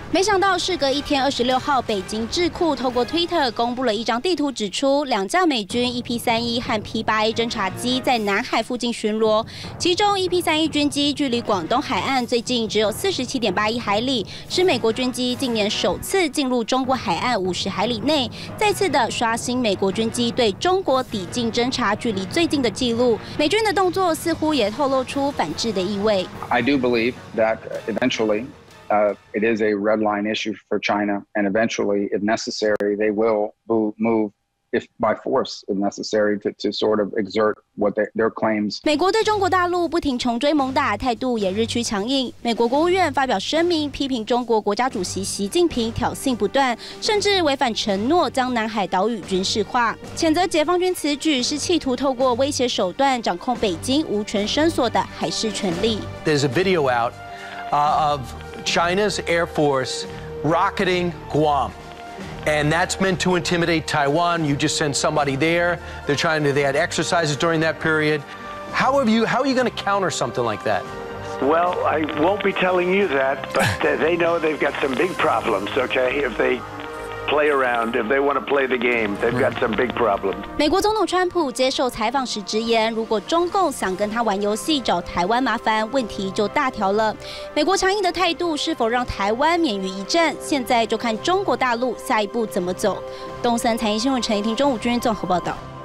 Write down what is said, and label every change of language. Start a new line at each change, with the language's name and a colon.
Chinese: 没想到事隔一天，26号，北京智库透过 Twitter 公布了一张地图，指出2架美军 EP31 和 P8A 侦察机在南海附近巡逻，其中 EP31 军机距离广东海岸最近只有47.81海里，是美国军机近年首次进入中国海岸50海里内，再次的刷新美国军机对中国抵近侦察距离最近的记录。美军的动作似乎也透露出反制的意味。
English: I do believe that eventually, it is a red line issue for China, and eventually, if necessary, they will move. If by force, if necessary, to sort of exert what their claims.
Chinese: 美国对中国大陆不停穷追猛打，态度也日趋强硬。美国国务院发表声明，批评中国国家主席习近平挑衅不断，甚至违反承诺将南海岛屿军事化，谴责解放军此举是企图透过威胁手段掌控北京无权伸缩的海事权力。
English: There's a video out, of China's Air Force rocketing Guam. And that's meant to intimidate Taiwan. You just send somebody there. They're trying to, they had exercises during that period. How are you going to counter something like that? Well, I won't be telling you that, but they know they've got some big problems, okay? If they... play around, if they want to play the game, they've got some big problems.
Chinese: 美国总统川普接受采访时直言，如果中共想跟他玩游戏找台湾麻烦，问题就大条了。美国强硬的态度是否让台湾免于一战，现在就看中国大陆下一步怎么走。东森财经新闻陈怡婷、钟武君综合报道。